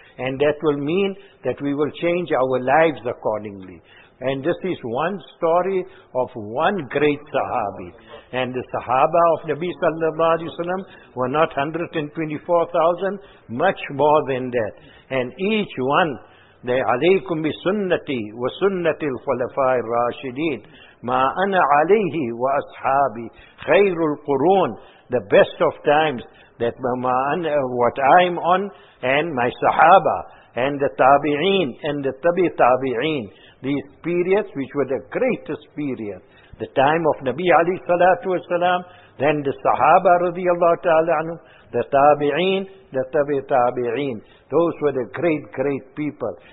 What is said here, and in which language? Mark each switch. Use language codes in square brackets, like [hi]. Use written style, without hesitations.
[en] And that will mean that we will change our lives accordingly. And this is one story of one great Sahabi. And the Sahaba of Nabi sallallahu alayhi wa sallam were not 124,000, much more than that. And each one [ar] They عليكم بسنتي وسنة الخلفاء الراشدين ما أنا عليه وأصحابي خير القرون. [en] The best of times, that what I'm on and my Sahaba and the Tabi'een and the Tabi Tabi'een, these periods which were the greatest period, the time of Nabi Ali Salatu Wasalam, then the Sahaba radiallahu ta'ala anhu, the Tabi'een, the Tabi Tabi'een, those were the great, great people.